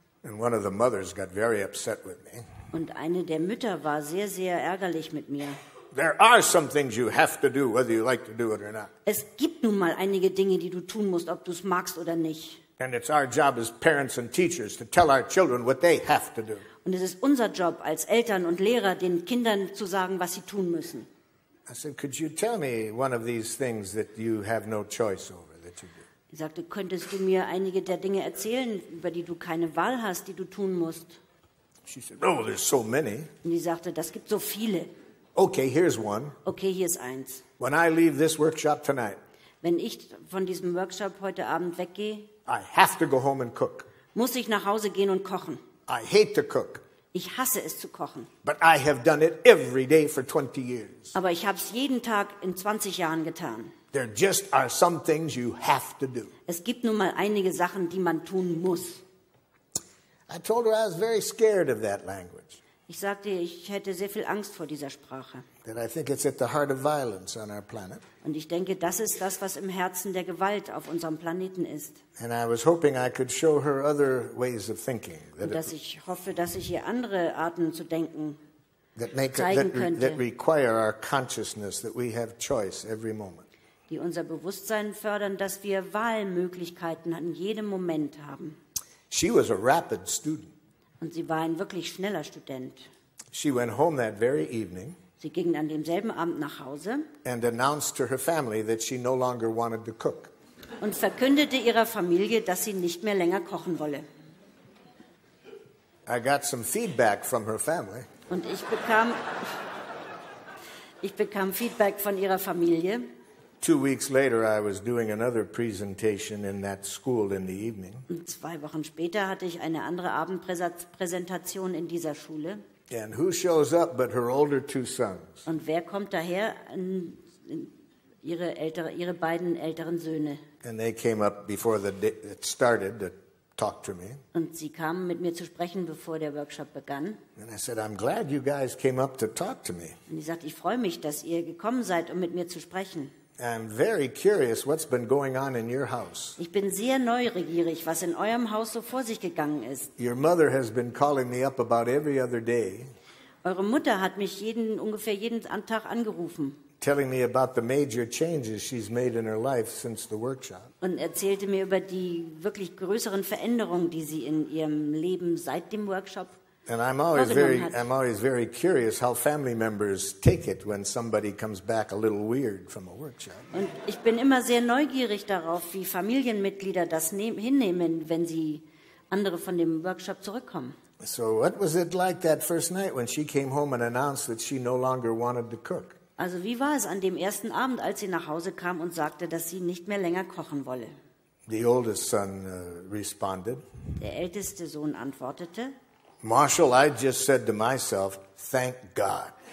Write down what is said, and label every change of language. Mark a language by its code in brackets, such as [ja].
[en] And one of the mothers got very upset with me. [de] Und eine der Mütter war sehr, sehr ärgerlich mit mir. [en] There are some things you have to do, whether you like to do it or not. [de] Es gibt nun mal einige Dinge, die du tun musst, ob du es magst oder nicht. [en] And it's our job as parents and teachers to tell our children what they have to do. [de] Und es ist unser Job als Eltern und Lehrer, den Kindern zu sagen, was sie tun müssen. [en] I said, could you tell me one of these things that you have no choice over that you do? [de] Ich sagte, könntest du mir einige der Dinge erzählen, über die du keine Wahl hast, die du tun musst? [en] She said, oh, there's so many. [de] Und sie sagte, das gibt so viele. [en] Okay, here's one. [de] Okay, hier ist eins. [en] When I leave this workshop tonight. [de] Wenn ich von diesem Workshop heute Abend weggehe. [en] I have to go home and cook. [de] Muss ich nach Hause gehen und kochen. [en] I hate to cook. [de] Ich hasse es zu kochen. [en] But I have done it every day for 20 years. [de] Aber ich habe es jeden Tag in 20 Jahren getan. [en] There just are some things you have to do. [de] Es gibt nun mal einige Sachen, die man tun muss. [en] I told her I was very scared of that language. [de] Ich sagte, ich hätte sehr viel Angst vor dieser Sprache. [en] That I think it's at the heart of violence on our planet. [de] Und ich denke, das ist das, was im Herzen der Gewalt auf unserem Planeten ist. [en] And I was hoping I could show her other ways of thinking. [de] Und dass ich hoffe, dass ich ihr andere Arten zu denken [en] that require our consciousness that we have choice every moment. [de] Die unser Bewusstsein fördern, dass wir Wahlmöglichkeiten an jedem Moment haben. [en] She was a rapid student. [de] Und sie war ein wirklich schneller Student. [en] She went home that very evening. [de] Sie ging an demselben Abend nach Hause. [en] And announced to her family that she no longer wanted to cook. [de] Und verkündete ihrer Familie, dass sie nicht mehr länger kochen wolle. [en] I got some feedback from her family. [de] Und ich bekam Feedback von ihrer Familie. [en] 2 weeks later, I was doing another presentation in that school in the evening. [de] Und 2 Wochen später hatte ich eine andere Abendpräsentation in dieser Schule. [en] And who shows up but her older 2 sons? [de] Und wer kommt daher? Ihre beiden älteren Söhne. [en] And they came up before it started to talk to me. [de] Und sie kamen mit mir zu sprechen, bevor der Workshop begann. [en] And I said, I'm glad you guys came up to talk to me. [de] Und ich sagte, ich freue mich, dass ihr gekommen seid, um mit mir zu sprechen. [en] I'm very curious what's been going on in your house. [de] Ich bin sehr neugierig, was in eurem Haus so vor sich gegangen ist. [en] Your mother has been calling me up about every other day. [de] Eure Mutter hat mich ungefähr jeden Tag angerufen. [en] Telling me about the major changes she's made in her life since the workshop. [de] Und erzählte mir über die wirklich größeren Veränderungen, die sie in ihrem Leben seit dem Workshop. [en] And I'm always very curious how family members take it when somebody comes back a little weird from a workshop. [de] Und ich bin immer sehr neugierig darauf, wie Familienmitglieder das hinnehmen, wenn sie andere von dem Workshop zurückkommen. [en] So what was it like that first night when she came home and announced that she no longer wanted to cook? [de] Also wie war es an dem ersten Abend, als sie nach Hause kam und sagte, dass sie nicht mehr länger kochen wolle? [en] The oldest son responded. [de] Der älteste Sohn antwortete. [en] Marshall, I just said to myself, thank God.